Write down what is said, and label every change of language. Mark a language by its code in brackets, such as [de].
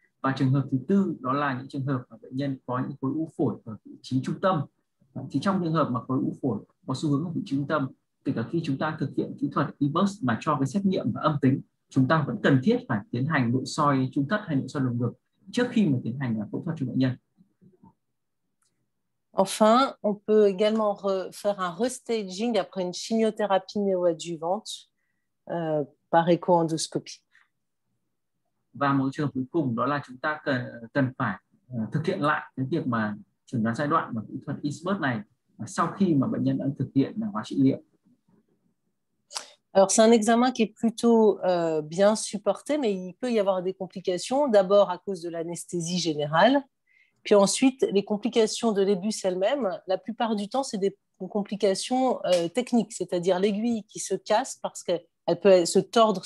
[vi] Và trường hợp thứ tư đó là những trường hợp mà bệnh nhân có những khối u phổi ở vị trí trung tâm. Thì trong trường hợp mà khối u phổi có xu hướng ở vị trí trung tâm, kể cả khi chúng ta thực hiện kỹ thuật E-burst mà cho cái xét nghiệm và âm tính, chúng ta vẫn cần thiết phải tiến hành nội soi trung thất hay nội soi lồng ngực trước khi mà tiến hành phẫu thuật cho bệnh nhân. [fr] Enfin, on peut également faire un restaging après une chimiothérapie néoadjuvante par échoendoscopie. [vi] Và một trường hợp cuối cùng đó là chúng ta cần phải thực hiện lại cái việc mà chẩn đoán giai đoạn và kỹ thuật E-burst này sau khi mà bệnh nhân đã thực hiện hóa trị liệu. [fr] Alors c'est un examen qui est plutôt bien supporté, mais il peut y avoir des complications, d'abord à cause de l'anesthésie générale, puis ensuite les complications de l'ébus elle-même. La plupart du temps, c'est des complications techniques, c'est-à-dire l'aiguille qui se casse parce que elle peut se tordre.